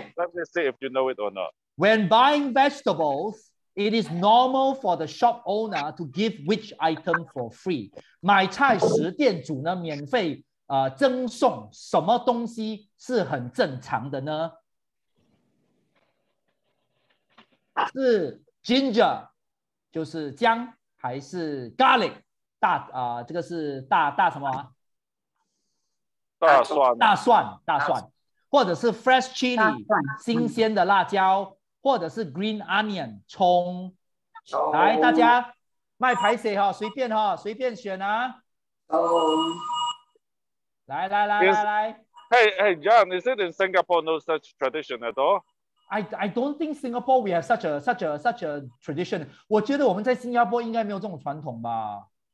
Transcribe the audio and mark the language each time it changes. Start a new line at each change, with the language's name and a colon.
English: let me see if you know it or not. When buying vegetables, it is normal for the shop owner to give which item for free.
Chinese: 买菜时店主呢免费赠送什么东西是很正常的呢？是 ginger, 就是姜。还是 garlic 这个是大什么？大蒜，或者是
English: fresh chili
Chinese: 新鲜的辣椒，或者是
English: green onion
Chinese: 葱。来，大家卖牌谁哈？随便哈，随便选啊。来。
English: Hey John, is it in Singapore no such tradition at all? I don't think Singapore we have such a tradition.
Chinese: 我觉得我们在新加坡应该没有这种传统吧。